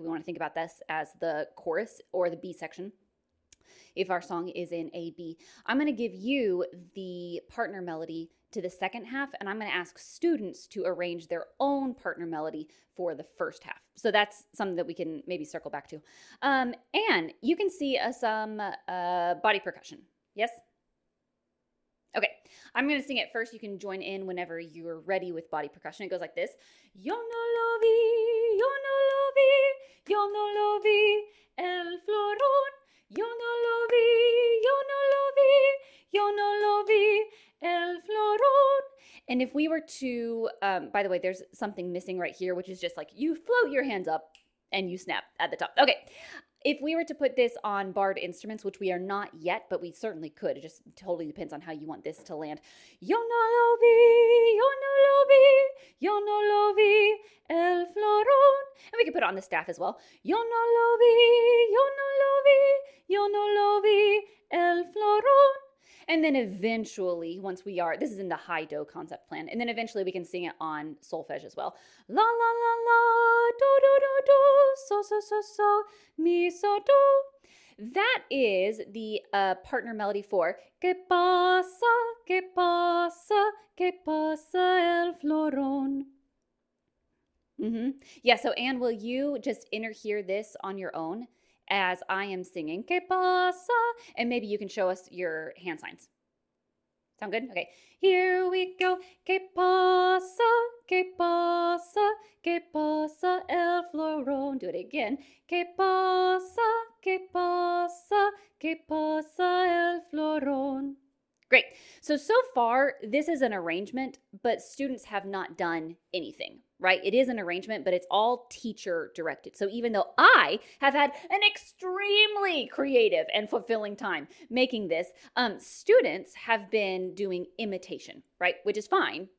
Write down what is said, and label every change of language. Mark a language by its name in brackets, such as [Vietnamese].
[English] We want to think about this as the chorus or the B section. If our song is in A, B, I'm going to give you the partner melody to the second half, and I'm going to ask students to arrange their own partner melody for the first half. So that's something that we can maybe circle back to. And you can see some body percussion. Yes? Okay, I'm going to sing it first. You can join in whenever you're ready with body percussion. It goes like this. [Spanish] Yo no lo vi, yo no lo vi, yo no lo vi, el florón. Yo no lo vi, yo no lo vi, yo no lo vi, el florón. [English] And if we were to, by the way, there's something missing right here, which is just like you float your hands up and you snap at the top. Okay. If we were to put this on barred instruments, which we are not yet, but we certainly could, it just totally depends on how you want this to land. [Spanish] Yo no lo vi, yo no lo vi, yo no lo vi, el florón. [English] And we could put it on the staff as well. [Spanish] Yo no lo vi, yo no lo vi, yo no lo vi, el florón. [English] And then eventually, once we are, this is in the high do concept plan, and then eventually we can sing it on solfege as well. La la la la, do do do do, so so so so, mi so do. That is the partner melody for Que pasa, que pasa, que pasa el florón. Mm-hmm. Yeah, so Anne, will you just interhear this on your own as I am singing, que pasa? And maybe you can show us your hand signs. Sound good? Okay. Here we go. [Spanish] Que pasa, que pasa, que pasa el florón. [English] Do it again. [Spanish] Que pasa, que pasa, que pasa el florón. [English] Great. So far, this is an arrangement, but students have not done anything. Right? It is an arrangement, but it's all teacher directed. So even though I have had an extremely creative and fulfilling time making this, students have been doing imitation, right? Which is fine.